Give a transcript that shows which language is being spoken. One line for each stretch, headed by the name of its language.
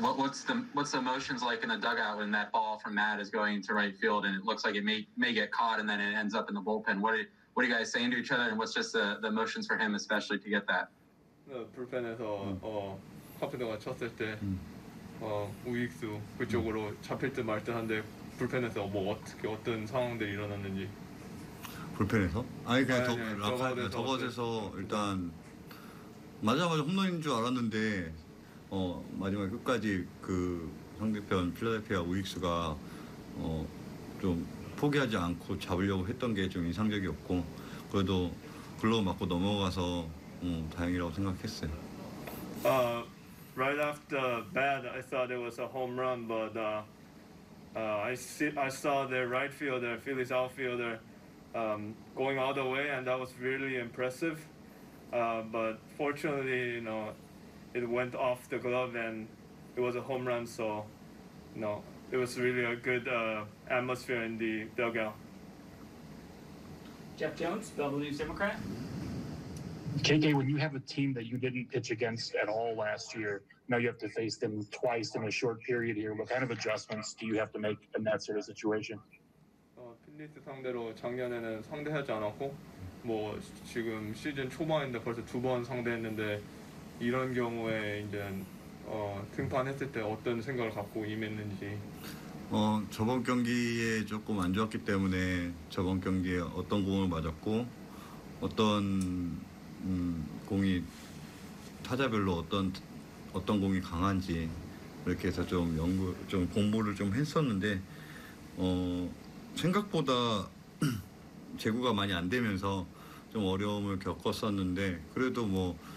English: What's the emotions like in the dugout when that ball from Matt is going to right field and it looks like it may get caught and then it ends up in the bullpen? What are you guys saying to each other, and what's just the emotions for him especially to get that?
Korean: The bullpen에서 카페드가 쳤을 때 우익수 그쪽으로 잡힐 듯 말 듯 한데 불펜에서 뭐 어떻게 어떤 상황들이 일어났는지. 불펜에서? 아니 그냥 더거드에서 일단 맞아가지고 홈런인 줄 알았는데. 마지막 끝까지 그 상대편 필라델피아 우익수가 좀 포기하지 않고 잡으려고 했던 게 좀 인상적이었고, 그래도 글러브 맞고 넘어가서 다행이라고 생각했어요.
English: Right after bat, I thought it was a home run, but I saw the right fielder, Phillies outfielder, going all the way, and that was really impressive. But fortunately, it went off the glove and it was a home run, so it was really a good atmosphere in the dugout. Jeff Jones, Bellevue Democrat. KK, when you have a team that you didn't pitch against at all last year, now you have to face them twice in a short period here, what kind of adjustments do you have to make in that sort of situation?
Korean: 필리스 상대로 작년에는 상대하지 않았고, 뭐 지금 시즌 초반인데 벌써 두 번 상대했는데, 이런 경우에 이제 등판했을 때 어떤 생각을 갖고 임했는지. 저번 경기에 조금 안 좋았기 때문에 저번 경기에 어떤 공을 맞았고 어떤 공이 타자별로 어떤 공이 강한지 이렇게 해서 좀 공부를 좀 했었는데 생각보다 제구가 많이 안 되면서 좀 어려움을 겪었었는데 그래도